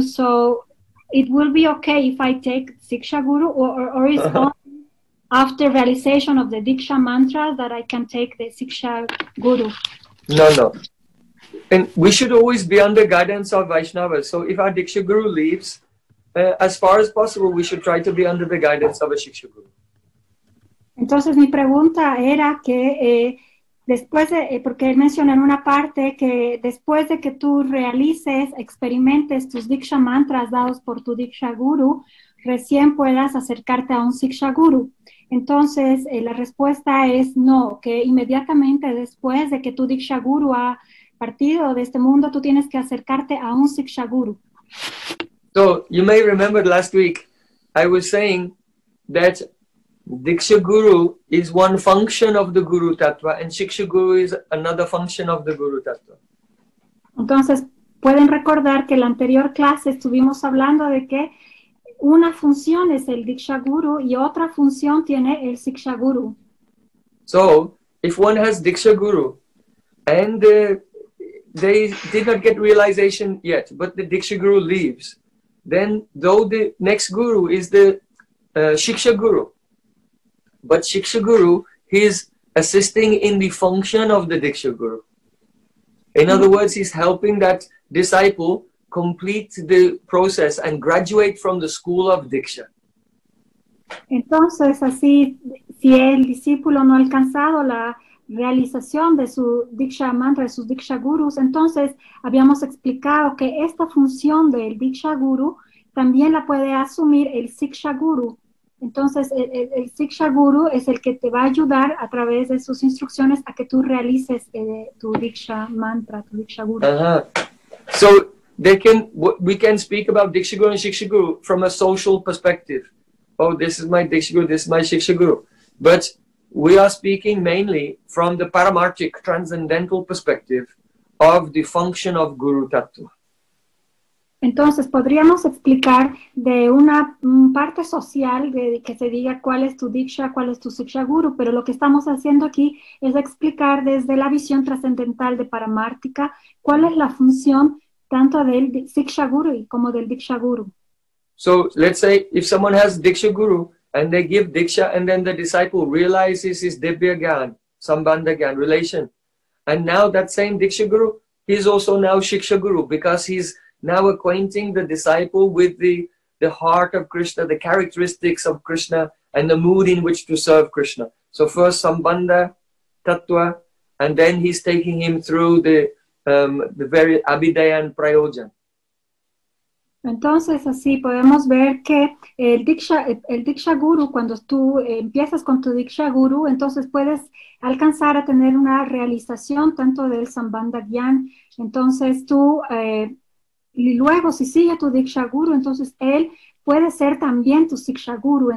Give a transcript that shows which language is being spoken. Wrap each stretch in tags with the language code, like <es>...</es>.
<en>So it will be okay if I take Diksha Guru, or is only after realization of the Diksha mantra that I can take the Diksha Guru? No, no. And we should always be under guidance of Vaishnava. So if our Diksha Guru leaves, as far as possible, we should try to be under the guidance of a Shiksha Guru.</en> <es>Entonces, mi pregunta era que después de, porque él menciona en una parte que después de que tú realices, experimentes tus Diksha mantras dados por tu Diksha Guru, recién puedas acercarte a un Shiksha Guru. Entonces, la respuesta es no, que inmediatamente después de que tu Diksha Guru ha partido de este mundo, tú tienes que acercarte a un Shiksha Guru.</es> <en>So, you may remember last week, I was saying that Diksha Guru is one function of the Guru Tattva and Shiksha Guru is another function of the Guru Tattva.</en> <es>Entonces, pueden recordar que en la anterior clase estuvimos hablando de que una función es el Diksha Guru y otra función tiene el Shiksha Guru.</es> <en>So, if one has Diksha Guru and they did not get realization yet, but the Diksha Guru leaves, then though the next guru is the Shiksha Guru, but Shiksha Guru, he is assisting in the function of the Diksha Guru. In other words, he's helping that disciple complete the process and graduate from the school of Diksha.</en> <es>Entonces, así, si el discípulo no ha alcanzado la realización de su Diksha Mantra, de sus Diksha Gurus, entonces habíamos explicado que esta función del Diksha Guru también la puede asumir el Shiksha Guru. Entonces el Shiksha Guru es el que te va a ayudar a través de sus instrucciones a que tú realices tu Diksha Mantra, tu Diksha Guru.</es> <en>So they can, we can speak about Diksha Guru and Shiksha Guru from a social perspective. Oh, this is my Diksha Guru, this is my Shiksha Guru. But we are speaking mainly from the paramarchic, transcendental perspective of the function of Guru Tattva.</en> <es>Entonces, podríamos explicar de una parte social de que se diga cuál es tu Diksha, cuál es tu Shiksha Guru, pero lo que estamos haciendo aquí es explicar desde la visión trascendental de paramártica cuál es la función tanto del Shiksha Guru como del Diksha Guru.</es> <en>So, let's say if someone has Diksha Guru, and they give Diksha, and then the disciple realizes his Divya Gyan, Sambandha Gyan, relation. And now that same Diksha Guru, he's also now Shiksha Guru, because he's now acquainting the disciple with the heart of Krishna, the characteristics of Krishna, and the mood in which to serve Krishna. So first Sambandha, Tattva, and then he's taking him through the very Abhidaya and Prayojan.</en> <es>Entonces, así podemos ver que el Diksha Guru, cuando tú empiezas con tu Diksha Guru, entonces puedes alcanzar a tener una realización tanto del Sambandha Gyan. Entonces tú, y luego si sigue tu Diksha Guru, entonces él puede ser también tu Shiksha Guru.</es>